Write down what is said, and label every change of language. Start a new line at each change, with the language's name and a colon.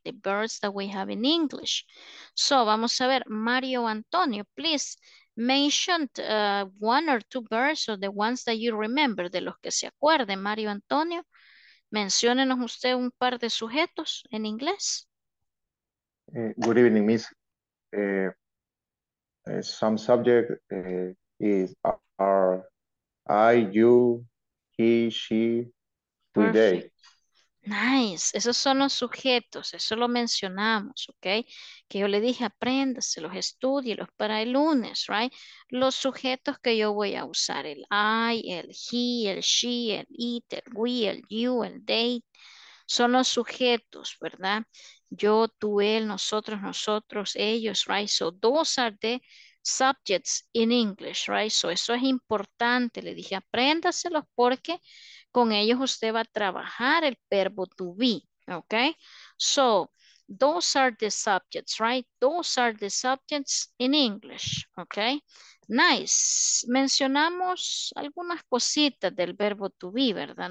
English: The verbs that we have in English. So,
Spanish: vamos a ver,
English: Mario Antonio, please mention one or two verbs or the ones that you remember,
Spanish: de los que se acuerde,
English: Mario Antonio.
Spanish: Menciónenos usted un par de sujetos en inglés.
English: Good evening, Miss. Some subject is are I, you, he, she, we, they. Nice.
Spanish: Esos son los sujetos. Eso lo mencionamos, ¿ok? Que yo le dije, apréndaselos, estúdielos para el lunes, right? Los sujetos que yo voy a usar, el I, el he, el she, el it, el we, el you, el they. Son los sujetos, ¿verdad? Yo, tú, él, nosotros, nosotros, ellos, right?
English: So those are the subjects in English, right?
Spanish: So eso es importante. Le dije, apréndaselos porque con ellos usted va a trabajar el verbo to be, ¿ok?
English: So those are the subjects, right? Those are the subjects in English, ¿ok? Nice.
Spanish: Mencionamos algunas cositas del verbo to be, ¿verdad?